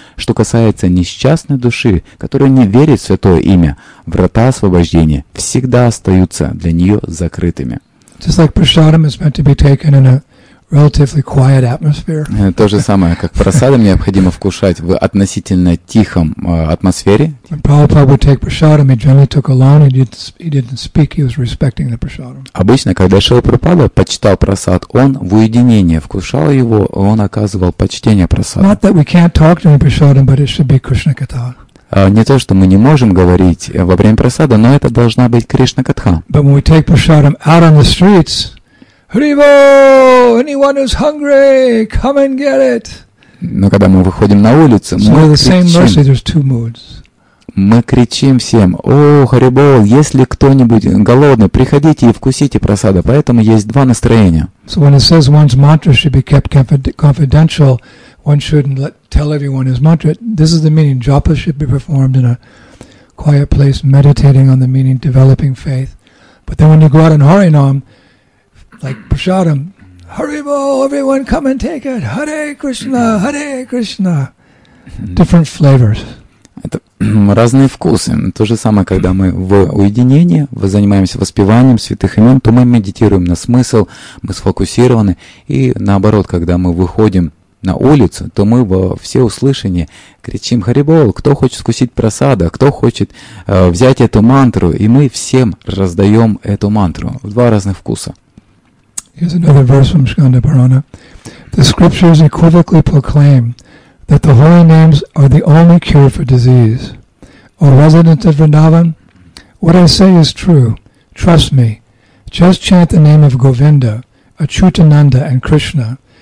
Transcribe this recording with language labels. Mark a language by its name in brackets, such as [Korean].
[Russian] Что касается несчастной души, которая не верит в святое имя, врата освобождения всегда остаются для нее закрытыми. [English] Just like prasadam is meant to be taken in a relatively quiet atmosphere. [Russian] То же самое, как прасадам необходимо вкушать в относительно тихом атмосфере. [English] When Prabhupada would take prasadam, he generally took alone. He didn't speak. He was respecting the prasadam. [Russian] Обычно, когда Шрила Прабхупада почитал прасад, он в уединении вкушал его, он оказывал почтение прасаду. [English] Not that we can't talk during prasadam, but it should be Krishna katha. [Russian] Не то, что мы не можем говорить во время прасада, но это должна быть Кришна катха. [English] But when we take prasadam out on the streets, Hrибо! Anyone who's hungry, come and get it. [Russian] Но когда мы выходим на улицу, мы кричим. Мы кричим всем: «О, Харибо, если кто-нибудь голодный, приходите и вкусите просада». Поэтому есть два настроения. [English] So when it says one's mantra should be kept confidential, one shouldn't tell everyone his mantra. This is the meaning. Japa should be performed in a quiet place, meditating on the meaning, developing faith. But then when you go out in Harinam, like prasadam, Haribo, everyone come and take it. Hare Krishna, Hare Krishna. Different flavors. [Russian] Это разные вкусы. То же самое, когда мы в уединении, мы занимаемся воспеванием святых имен, то мы медитируем на смысл, мы сфокусированы. И наоборот, когда мы выходим на улицу, то мы во всеуслышание кричим: Харибо, кто хочет вкусить просада, кто хочет взять эту мантру, и мы всем раздаем эту мантру. Два разных вкуса. [English] Here's another verse from Skanda Purana. The scriptures equivocally proclaim that the holy names are the only cure for disease. O resident of Vrindavan, what I say is true. Trust me. Just chant the name of Govinda, Achyutananda, and Krishna.